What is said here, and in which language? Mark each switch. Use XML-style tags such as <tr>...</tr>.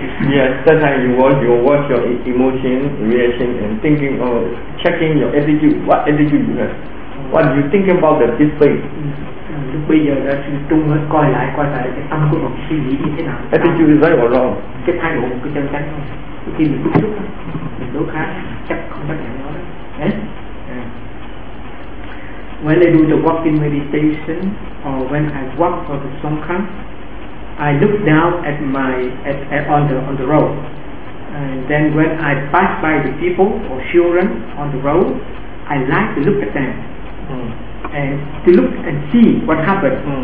<en>yes, that's how you watch your emotion, reaction, and thinking or checking your attitude. What attitude you have? What you think about the display?</en> <vi>Lúc bây giờ đã tập trung hết, coi lại cái tâm của mình suy nghĩ như thế nào.</vi> <en>Attitude is right or wrong?</en> <vi>Cái thái độ, cái chân chánh. Khi mình bức xúc, mình đối kháng, chắc không chấp nhận nó.</vi> <en>When I do the walking meditation or when I walk for the songkhan, I look down at my on the road. And then when I pass by the people or children on the road, I like to look at them and to look and see what happened.</en>